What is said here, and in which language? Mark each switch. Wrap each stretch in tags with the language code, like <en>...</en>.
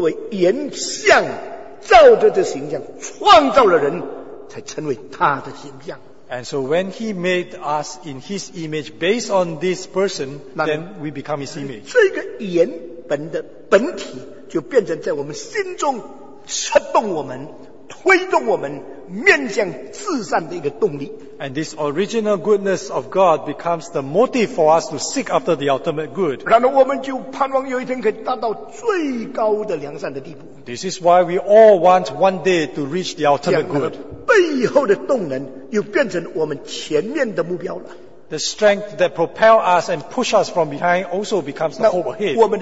<zh>有这个良善的本体的生命作为原像, 照着这形象, 创造了人, 才成为他的形象。</zh> <en>And so when He made us in His image based on this person, 那, then we become His image.</en> <zh>这个原本的本体就变成在我们心中 触动我们，推动我们面向至善的一个动力。</zh> <en>And this original goodness of God becomes the motive for us to seek after the ultimate good.</en> <zh>然后我们就盼望有一天可以达到最高的良善的地步。</zh> <en>This is why we all want one day to reach the ultimate good.</en> <zh>背后的动能又变成我们前面的目标了。</zh> <en>The strength that propels us and push us from behind also becomes the hope ahead.</en>